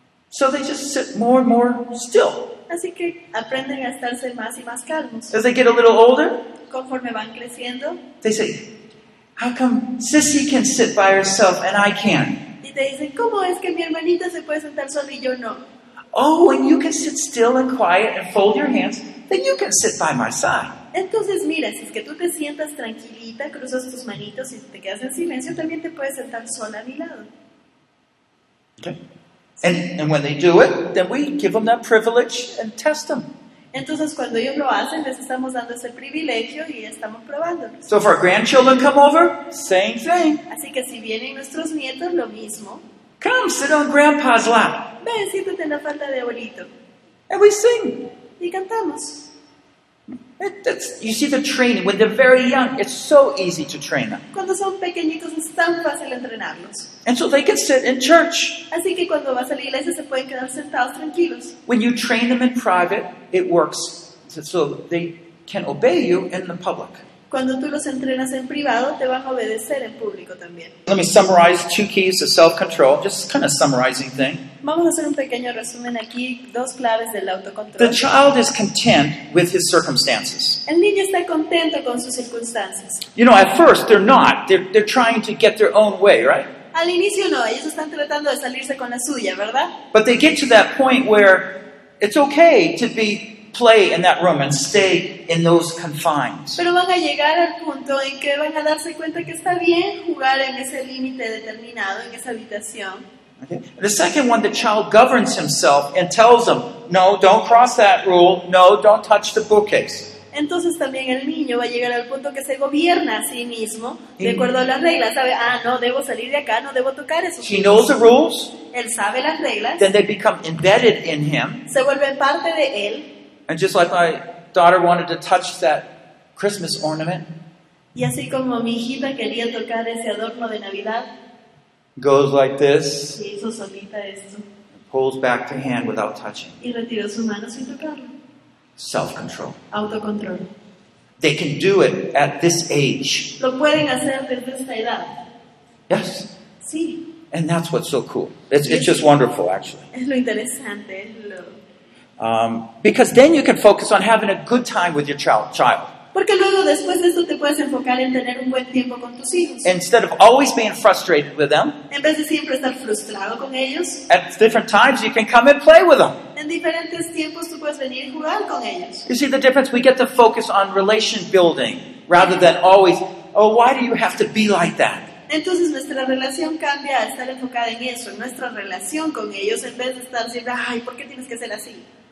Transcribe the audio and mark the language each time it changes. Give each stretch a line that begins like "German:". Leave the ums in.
English: So they just sit more and more still.
Spanish: Así que aprenden a estarse más y más calmos.
English: As they get a little older,
Spanish: Conforme van creciendo
English: they say, How come Sissy can sit by herself and I can't?
Spanish: y te dicen, ¿cómo es que mi hermanita se puede sentar sola y yo no?
English: Oh, when you can sit still and quiet and fold your hands, then you can sit by my side.
Spanish: Entonces, mira, si es que tú te sientas tranquilita, cruzas tus manitos y te quedas en silencio, también te puedes sentar sola a mi lado.
English: Okay? And, and when they do it, then we give them that privilege and test them.
Spanish: Entonces, cuando ellos lo hacen, les estamos dando ese privilegio y estamos probándolos.
English: So if our grandchildren come over, same thing.
Spanish: Así que si vienen nuestros nietos, lo mismo.
English: Come, sit on Grandpa's lap.
Spanish: Ven, siéntate en la falda de abuelito
English: And we sing.
Spanish: y cantamos.
English: It, that's, you see the training. When they're very young, it's so easy to train them.
Spanish: Cuando son pequeñitos es tan fácil entrenarlos.
English: And so they can sit in church.
Spanish: Así que cuando vas a la iglesia se pueden quedar sentados tranquilos.
English: When you train them in private, it works. So- So they can obey you in the public.
Spanish: Cuando tú los entrenas en privado, te van a obedecer en público también.
English: Let me summarize two keys to self control, just kind of summarizing thing.
Spanish: Vamos a hacer un pequeño resumen aquí, dos claves del autocontrol.
English: The child is content with his circumstances.
Spanish: El niño está contento con sus circunstancias.
English: You know, at first they're not. They're, they're trying to get their own way, right?
Spanish: Al inicio no, ellos están tratando de salirse con la suya, ¿verdad?
English: But they get to that point where it's okay to be play in that room and stay in those confines.
Spanish: Pero van a llegar al punto en que van a darse cuenta que está bien jugar en ese límite determinado, en esa habitación.
English: Okay? The second one, the child governs himself and tells him, "No, don't cross that rule. No, don't touch the bookcase."
Spanish: Entonces también el niño va a llegar al punto que se gobierna a sí mismo, de Sí. acuerdo a las reglas, sabe, ah, no, debo salir de acá, no debo tocar eso.
English: He knows the rules.
Spanish: Él sabe las reglas,
English: Then they become embedded in him.
Spanish: se vuelve parte de él,
English: And just like my daughter wanted to touch that Christmas ornament,
Spanish: y así como mi hijita quería tocar ese adorno de Navidad,
English: goes like this,
Spanish: Y hizo solita esto.
English: pulls back the hand without touching.
Spanish: Y retiró su mano sin tocarlo.
English: Self control.
Spanish: Autocontrol.
English: They can do it at this age.
Spanish: Lo pueden hacer desde esta edad.
English: Yes.
Spanish: Sí,
English: And that's what's so cool. It's, it's just wonderful, actually.
Spanish: es lo interesante. es lo-
English: Um, because then you can focus on having a good time with your child, child.
Spanish: Porque luego después de esto te puedes enfocar en tener un buen tiempo con tus hijos.
English: Instead of always being frustrated with them,
Spanish: En vez de siempre estar frustrado con ellos,
English: at different times you can come and play with them.
Spanish: en diferentes tiempos tú puedes venir y jugar con ellos.
English: You see the difference? We get to focus on relation building rather than always, oh, why do you have to be like that?
Spanish: Entonces nuestra relación cambia a estar enfocada en eso, en nuestra relación con ellos, en vez de estar siempre, ay, ¿por qué tienes que ser así?